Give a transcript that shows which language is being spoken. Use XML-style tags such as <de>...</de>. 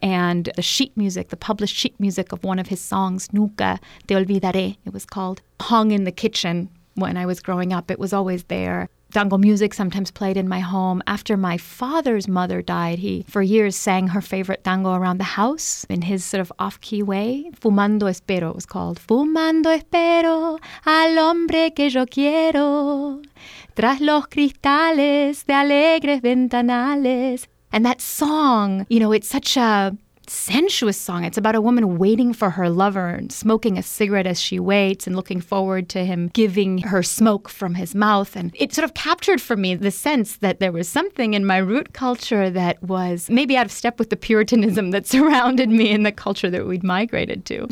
<en>And the sheet music, the published sheet music of one of his songs, Nunca Te Olvidaré, it was called, hung in the kitchen when I was growing up. It was always there. Tango music sometimes played in my home. After my father's mother died, he for years sang her favorite tango around the house in his sort of off-key way. Fumando espero, it was called.</en> <es>Fumando espero al hombre que yo quiero. Tras los cristales de alegres ventanales.</es> <en>And that song, you know, it's such a sensuous song. It's about a woman waiting for her lover and smoking a cigarette as she waits and looking forward to him giving her smoke from his mouth. And it sort of captured for me the sense that there was something in my root culture that was maybe out of step with the Puritanism that surrounded me in the culture that we'd migrated to.</en>